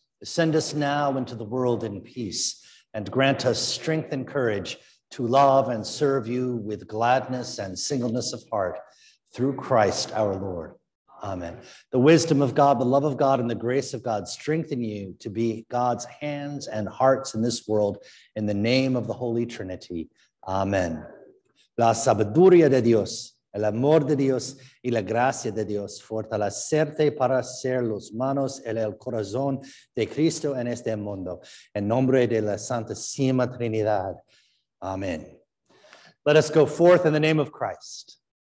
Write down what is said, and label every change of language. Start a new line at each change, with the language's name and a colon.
English: Send us now into the world in peace and grant us strength and courage to love and serve you with gladness and singleness of heart through Christ our Lord. Amen. The wisdom of God, the love of God, and the grace of God strengthen you to be God's hands and hearts in this world, in the name of the Holy Trinity. Amen.
Spanish: La sabiduría de Dios, el amor de Dios y la gracia de Dios fortalecerte para ser los manos y el corazón de Cristo en este mundo. En nombre de la Santísima Trinidad. Amen.
English: Let us go forth in the name of Christ.